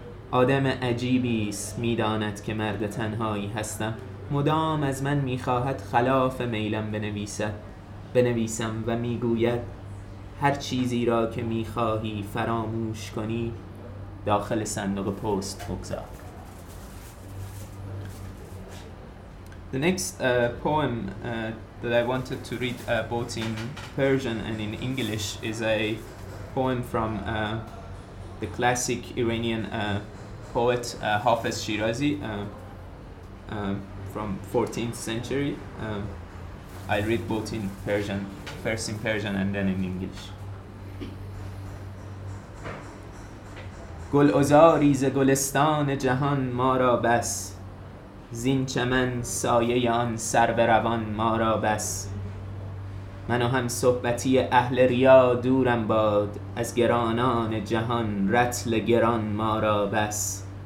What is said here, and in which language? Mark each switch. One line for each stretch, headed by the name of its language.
Persian: آدم عجیبی است، میداند که مرد تنهایی هستم. مدام از من میخواهد خلاف میلم بنویسد. بنویسم و میگوید هر چیزی را که میخواهی فراموش کنی داخل صندوق پست بگذار.
English: The next poem that I wanted to read both in Persian and in English is a poem from the classic Iranian poet Hafez Shirazi from 14th century. I read both in Persian, first in Persian and then in English.
Persian: گل عذاری ز گلستان جهان ما را بس، زین چمن سایه آن سر بروان ما را بس. من و هم صحبتی اهل ریا دورم باد، از گرانان جهان رتل گران ما را بس.